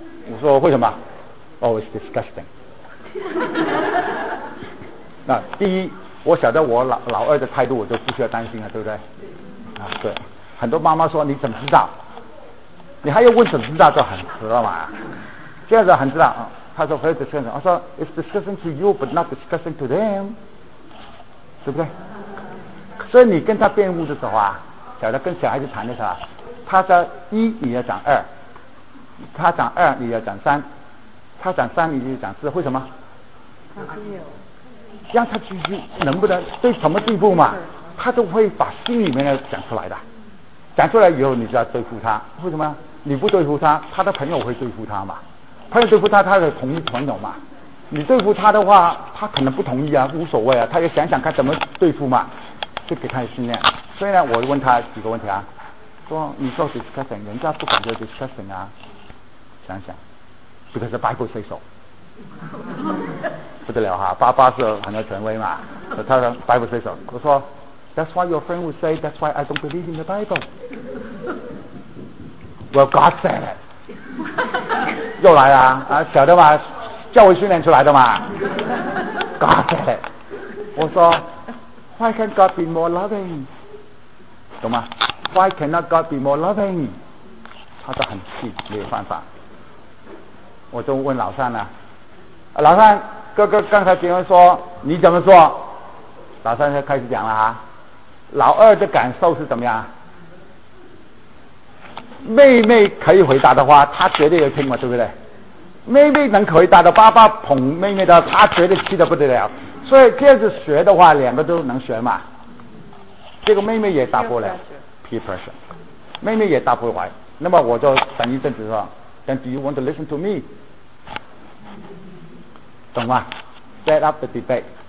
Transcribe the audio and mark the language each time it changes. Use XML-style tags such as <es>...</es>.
<zh>我说为什么？</zh> <en>Oh, it's disgusting.</en> <zh>那第一，我晓得我老二的态度，我就不需要担心了，对不对？啊，对。很多妈妈说你怎么知道？你还要问怎么知道就很迟了嘛。这样子很知道，他说</zh> <en>very disgusting.</en> <zh>我说</zh> <en>it's disgusting to you, but not disgusting to them,</en> <zh>对不对？所以你跟他辩护的时候啊，晓得跟小孩子谈的时候，他说一你要讲二，他讲二你要讲三。他讲三，你就讲四，为什么？让他去能不能对什么地步嘛？他都会把心里面的讲出来的，讲出来以后，你就要对付他。为什么？你不对付他，他的朋友会对付他嘛？朋友对付他，他的同意朋友嘛？你对付他的话，他可能不同意啊，无所谓啊，他就想想看怎么对付嘛，就给他训练。所以呢，我问他几个问题啊，说你说</zh> <en>discussion,</en> <zh>人家不感觉 discussion 啊，想想。</zh> <en>Because the Bible says so.</en> <zh>不得了哈，爸爸是很有权威嘛，他说</zh> <en>Bible says so.</en> <zh>我说</zh> <en>That's why your friend would say That's why I don't believe in the Bible. Well, God said it.</en> <zh>又来了啊，晓得吗？教会训练出来的嘛。</zh> <en>God said it.</en> <zh>我说</zh> <en>Why can't God be more loving?</en> <zh>懂吗？</zh> <en>Why cannot God be more loving?</en> <zh>他都很气，没有办法。我就问老三了，老三哥哥刚才结婚说你怎么说？老三就开始讲了啊，老二的感受是怎么样？妹妹可以回答的话，她绝对有听嘛，对不对？妹妹能回答的，爸爸捧妹妹的，她绝对气得不得了。所以这样子学的话，两个都能学嘛。这个妹妹也答不了 ，</zh> <en>peer pressure，</en> <zh>妹妹也答不完。那么我就等一阵子说</zh> <en>，Then do you want to listen to me？</en> <zh>懂吗</zh> <en>？Set up the debate。</en>